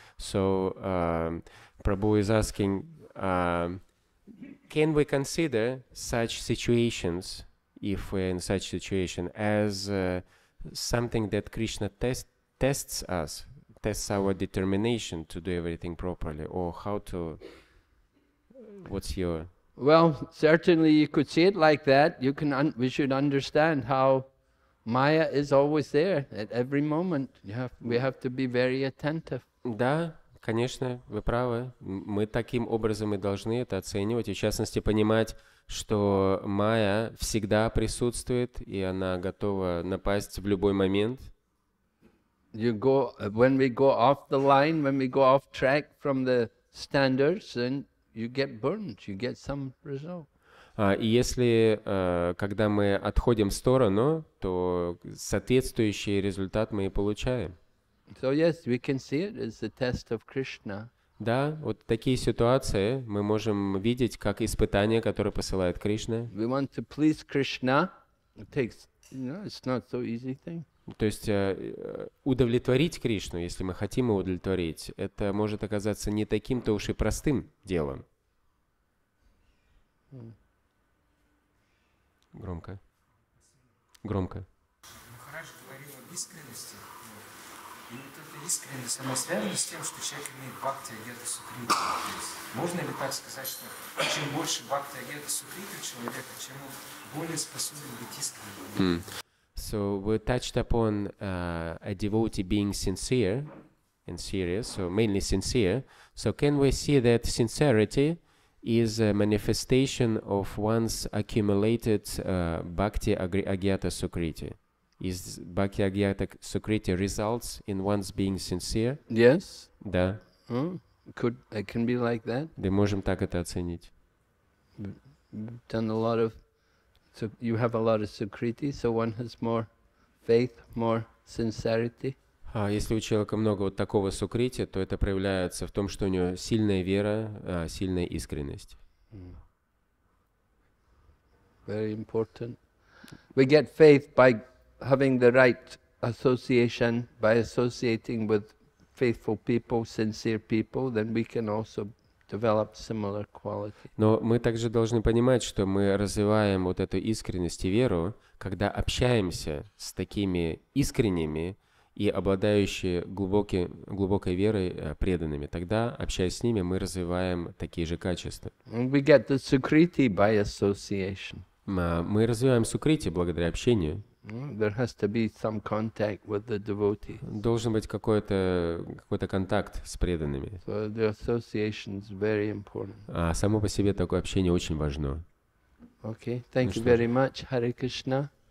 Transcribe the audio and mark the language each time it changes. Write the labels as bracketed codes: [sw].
[en] So Prabhu is asking, can we consider such situations, if we're in such situation, as something that Krishna tests us, tests our determination to do everything properly, or how to, what's your... Well, certainly you could see it like that. You can. We should understand how Maya is always there at every moment. We have to be very attentive. [ru] Да, конечно, вы правы. Мы таким образом и должны это оценивать, и в частности понимать, что Maya всегда присутствует, и она готова напасть в любой момент. [en] You go when we go off the line, when we go off track from the standards, then you get burned, you get some result. [ru] И если, когда мы отходим в сторону, то соответствующий результат мы и получаем. [en] So yes, we can see it as the test of Krishna. [ru] Да, вот такие ситуации мы можем видеть как испытание, которое посылает Кришна. [en] We want to please Krishna. It takes, you know, it's not so easy thing. [ru] То есть удовлетворить Кришну, если мы хотим его удовлетворить, это может оказаться не таким-то уж и простым делом. Громко. Громко. Махарадж говорил об искренности. И вот эта искренность, она связана с тем, что человек имеет бхакти агьята сукрити. Можно ли так сказать, что чем больше бхакти агьята сукрити у человека, чем он более способен быть искренним? [en] So we touched upon a devotee being sincere and serious, so mainly sincere. So can we see that sincerity is a manifestation of one's accumulated bhakti agyata sukriti. Is bhakti agyata sukriti results in one's being sincere? Yes. [ru] Да. [en] Could it can be like that? [ru] Мы можем так это оценить. [en] Done a lot of, so you have a lot of sukriti, so one has more faith, more sincerity. [ru] А если у человека много вот такого сукрити, то это проявляется в том, что у него сильная вера, сильная искренность. [en] Very important. We get faith by having the right association, by associating with faithful people, sincere people, then we can also develop similar quality. [ru] Но мы также должны понимать, что мы развиваем вот эту искренность и веру, когда общаемся с такими искренними и обладающие глубокой верой преданными. Тогда, общаясь с ними, мы развиваем такие же качества. [en] We get the sukriti by association. [ru] Мы развиваем сукрити благодаря общению. [en] There has to be some contact with the devotee. [ru] Должен быть какой-то контакт с преданными. [en] So the association is very important. [ru] А само по себе такое общение очень важно. [en] Okay, thank you very much, Hare Krishna.